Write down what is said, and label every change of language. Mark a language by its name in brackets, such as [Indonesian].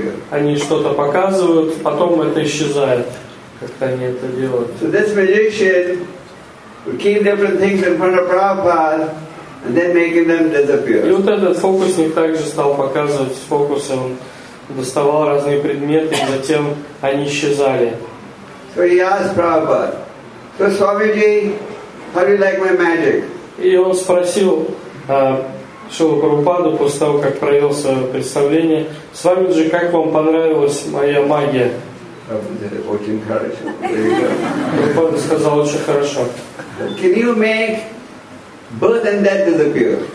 [Russian] Они что-то показывают, потом это исчезает. Как-то они это делают. [English] So this magician would keep different things in front of Prabhupada and then making them disappear. [Russian] И вот этот фокусник также стал показывать фокусы. Он доставал разные предметы, и затем они исчезали. [English] So he asked Prabhupada, "So Swamiji, how do you like my magic?" [Russian] И он спросил Шрилу Прабхупаду после того, как провел свое представление, "Свамиджи, как вам понравилась моя магия?" Прабхупада сказал, "Очень хорошо." [English] Can you make birth and death disappear?